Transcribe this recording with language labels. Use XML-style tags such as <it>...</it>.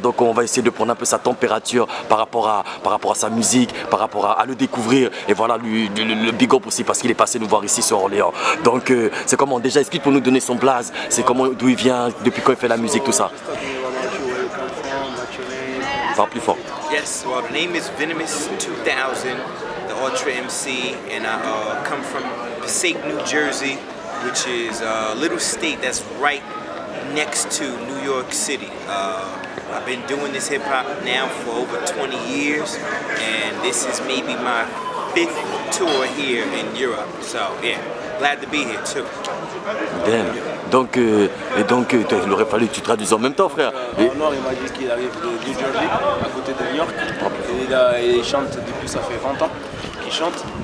<fr>Donc on va essayer de prendre un peu sa température par rapport à sa musique, par rapport à le découvrir. Et voilà, le big up aussi parce qu'il est passé nous voir ici sur Orléans. Donc c'est comment? Déjà explique pour nous donner son blaze. C'est comment, d'où il vient, depuis quand il fait la musique, tout ça. Va plus fort.</fr> <en>Yes, well, my name is Venomous 2000, the Ultra MC, and I come from Passaic, New Jersey, which is a little state that's right next to New York City. I've been doing this hip hop now for over 20 years, and this is maybe my fifth tour here in Europe. So yeah, glad to be here too. Damn.</en> <fr>Donc, il aurait fallu que tu traduises en même temps, frère. Nord, il m'a dit qu'il arrive de New Jersey, à côté de New York. Et il chante depuis, ça fait 20 ans qu'il chante.</fr>